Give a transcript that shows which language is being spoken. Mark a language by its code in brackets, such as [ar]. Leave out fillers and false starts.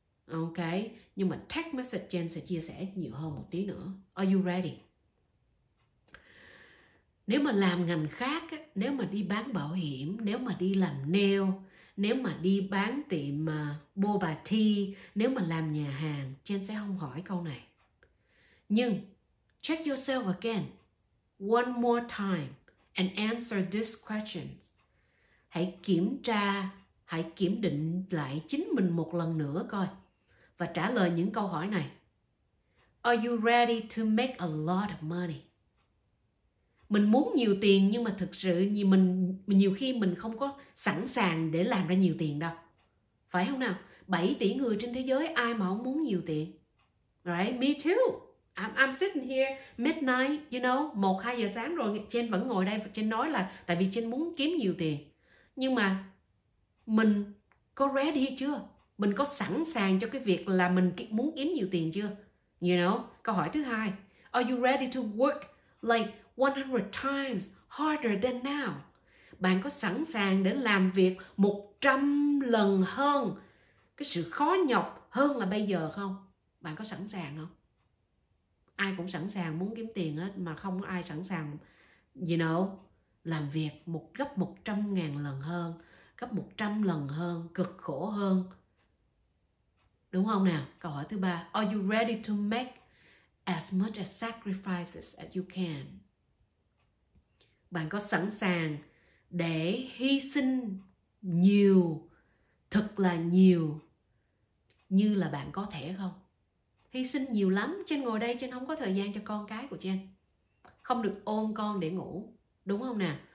[vi] Ok, nhưng mà text message Jen sẽ chia sẻ nhiều hơn một tí nữa. [en] Are you ready? [vi] Nếu mà làm ngành khác, nếu mà đi bán bảo hiểm, nếu mà đi làm nail, nếu mà đi bán tiệm boba tea, nếu mà làm nhà hàng, Jen sẽ không hỏi câu này. [en] Nhưng check yourself again, one more time, and answer this question. [vi] Hãy kiểm tra, hãy kiểm định lại chính mình một lần nữa coi, và trả lời những câu hỏi này. [en] Are you ready to make a lot of money? [vi] Mình muốn nhiều tiền, nhưng mà thực sự nhiều khi mình không có sẵn sàng để làm ra nhiều tiền đâu. Phải không nào? 7 tỷ người trên thế giới, ai mà không muốn nhiều tiền? [en] Right? Me too. I'm sitting here midnight, you know, [vi] 1-2 giờ sáng rồi, Jen vẫn ngồi đây và Jen nói là tại vì Jen muốn kiếm nhiều tiền. Nhưng mà mình có ready chưa? Mình có sẵn sàng cho cái việc là mình muốn kiếm nhiều tiền chưa? [en] You know? [vi] Câu hỏi thứ hai. [en] Are you ready to work like 100 times harder than now? [vi] Bạn có sẵn sàng để làm việc 100 lần hơn cái sự khó nhọc hơn là bây giờ không? Bạn có sẵn sàng không? Ai cũng sẵn sàng muốn kiếm tiền hết, mà không có ai sẵn sàng, [en] you know, [vi] làm việc một gấp 100.000 lần hơn, gấp 100 lần hơn, cực khổ hơn. Đúng không nào? Câu hỏi thứ ba. [en] Are you ready to make as much as sacrifices as you can? [vi] Bạn có sẵn sàng để hy sinh nhiều, thật là nhiều như là bạn có thể không? Hy sinh nhiều lắm. Trên ngồi đây, trên không có thời gian cho con cái của trên. Không được ôm con để ngủ. Đúng không nào?